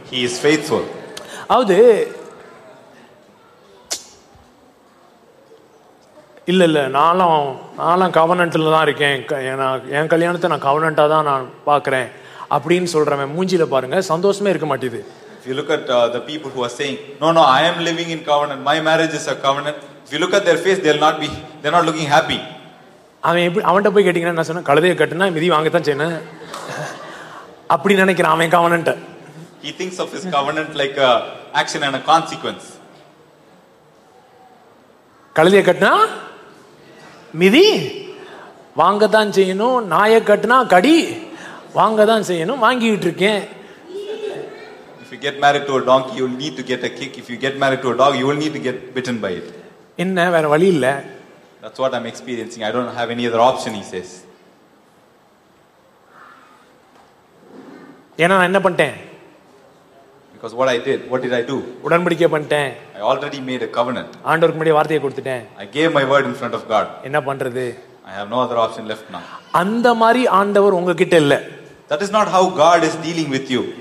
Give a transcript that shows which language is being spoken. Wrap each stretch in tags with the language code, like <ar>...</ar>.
<en>he is faithful.</en> <ta>அது இல்ல இல்ல, நானும் கவர்னன்ட்ல தான் இருக்கேன், என் கல்யாணத்தை நான் கவர்னன்டா தான் நான் பாக்குறேன் அப்படின்னு சொல்றவன் மூஞ்சில பாருங்க, சந்தோஷமே இருக்க மாட்டேது.</ta> <en>If you look at the people who are saying, no, I am living in covenant, my marriage is a covenant, if you look at their face, they're not looking happy.</en> <ta>அவன் எப்படி அவன்கிட்ட போய் கேட்டீங்கன்னா என்ன சொன்னா, கழுதைய கட்டுனா மிதி வாங்கத்தான் அப்படி நினைக்கிறான். அவன் covenant,</ta> <en>he thinks of his covenant like a action and a consequence.</en> <ta>கழுதைய கட்டுனா மிதி வாங்கத்தான் செய்யணும், நாயை கட்டுனா கடி வாங்கத்தான் செய்யணும், வாங்கிட்டு இருக்கேன்.</ta> <en>If you get married to a donkey, you will need to get a kick. If you get married to a dog, you will need to get bitten by it.</en> <ta>என்ன வேற வழி இல்ல.</ta> <en>That's what I'm experiencing. I don't have any other option, he says.</en> <ta>ஏனா நான் என்ன பண்ணிட்டேன்?</ta> <en>Because what I did, what did I do?</en> <ta>உடன்படிக்கை பண்ணிட்டேன்.</ta> <en>I already made a covenant.</en> <ta>ஆண்டவருக்கு முடி வார்த்தை கொடுத்துட்டேன்.</ta> <en>I gave my word in front of God.</en> <ta>என்ன பண்றது?</ta> <en>I have no other option left now.</en> <ta>அந்த மாதிரி ஆண்டவர் உங்ககிட்ட இல்ல.</ta> <en>That is not how God is dealing with you.</en>